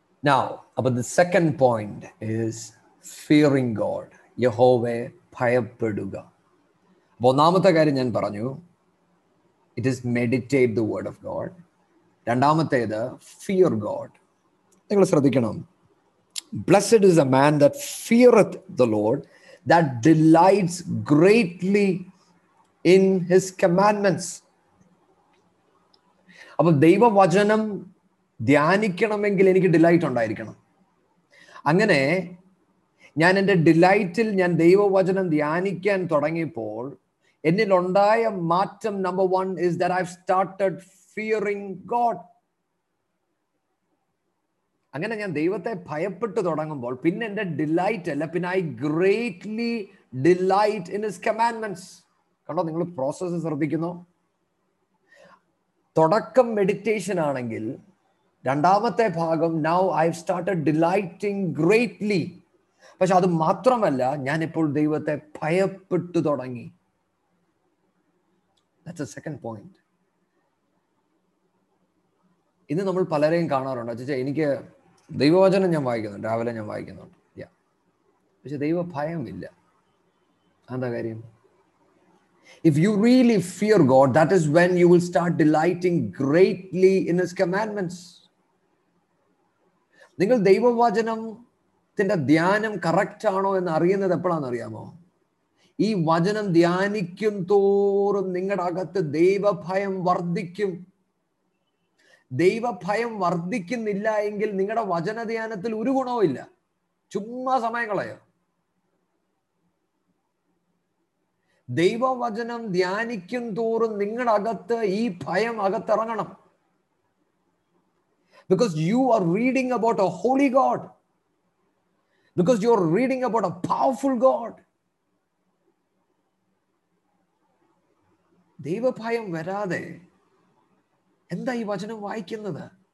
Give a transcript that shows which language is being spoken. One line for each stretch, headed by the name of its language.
English: Now, about the second point is fearing God.
Malayalam: Yehovah bhayappeduga. ഒന്നാമത്തെ കാര്യം ഞാൻ പറഞ്ഞു,
English: it is meditate the word of God.
Malayalam: രണ്ടാമത്തേത്
English: fear God.
Malayalam: നിങ്ങൾ ശ്രദ്ധിക്കണം.
English: Blessed is a man that feareth the Lord, that delights greatly in his commandments.
Malayalam: അപ്പോൾ ദൈവവചനം ധ്യാനിക്കണമെങ്കിൽ എനിക്ക് ഡിലൈറ്റ് ഉണ്ടായിരിക്കണം. അങ്ങനെ ഞാൻ എൻ്റെ ഡിലൈറ്റിൽ ഞാൻ ദൈവവചനം ധ്യാനിക്കാൻ തുടങ്ങിയപ്പോൾ എന്നിലുണ്ടായ മാറ്റം,
English: Number one is that I have started fearing God.
Malayalam: അങ്ങനെ ഞാൻ ദൈവത്തെ ഭയപ്പെട്ട് തുടങ്ങുമ്പോൾ പിന്നെ എൻ്റെ ഡിലൈറ്റ് അല്ല, പിന്നെ
English: I greatly delight in his commandments.
Malayalam: കണ്ടോ, നിങ്ങൾ പ്രോസസ്സ് ശ്രദ്ധിക്കുന്നു. തുടക്കം മെഡിറ്റേഷൻ ആണെങ്കിൽ രണ്ടാമത്തെ ഭാഗം,
English: Now I have started delighting greatly.
Malayalam: പക്ഷെ അത് മാത്രമല്ല, ഞാൻ ഇപ്പോൾ ദൈവത്തെ ഭയപ്പെട്ടു തുടങ്ങി.
English: That's a second point.
Malayalam: ഇന്ന് നമ്മൾ പലരെയും കാണാറുണ്ട്, അച്ഛാ എനിക്ക് ദൈവവചനം ഞാൻ വായിക്കുന്നുണ്ട്, രാവിലെ ഞാൻ വായിക്കുന്നുണ്ട്, പക്ഷെ ദൈവ ഭയം ഇല്ല. എന്താ കാര്യം?
English: If you really fear God, that is when you will start delighting greatly in his commandments.
Malayalam: നിങ്ങൾ ദൈവവചനത്തിന്റെ ധ്യാനം കറക്റ്റ് ആണോ എന്ന് അറിയുന്നത് എപ്പോഴാണെന്ന് അറിയാമോ? ഈ വചനം ധ്യാനിക്കും തോറും നിങ്ങളുടെ അകത്ത് ദൈവഭയം വർദ്ധിക്കും. ദൈവഭയം വർദ്ധിക്കുന്നില്ല എങ്കിൽ നിങ്ങളുടെ വചന ധ്യാനത്തിൽ ഒരു ഗുണവും ഇല്ല, ചുമ്മാ സമയങ്ങളയോ. ദൈവവചനം ധ്യാനിക്കും തോറും നിങ്ങളുടെ അകത്ത് ഈ ഭയം അകത്തിറങ്ങണം.
English: Because you are reading about a holy God. Because you are reading about a powerful God.
Malayalam: Deva bhayam varade enda ee vachanam vaikkunnathu?